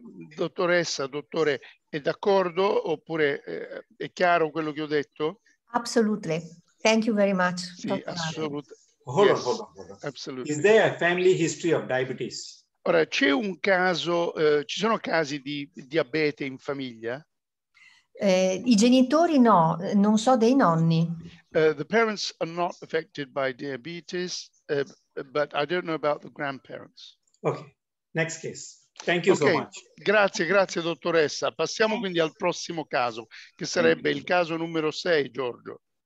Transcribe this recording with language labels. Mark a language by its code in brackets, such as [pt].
[it] Dottoressa, dottore, è d'accordo oppure è chiaro quello che ho detto? [en] Absolutely. Thank you very much. [it] Sì, assolutamente. [en] Hold on, hold on, hold on. Is there a family history of diabetes? [it] Ora, c'è un caso, ci sono casi di diabete in famiglia? I genitori no, non so dei nonni. [en] The parents are not affected by diabetes, but I don't know about the grandparents. Okay, next case. Thank you okay. So much. [it] Grazie, grazie dottoressa. Passiamo quindi al prossimo caso, che sarebbe il caso numero 6, Giorgio.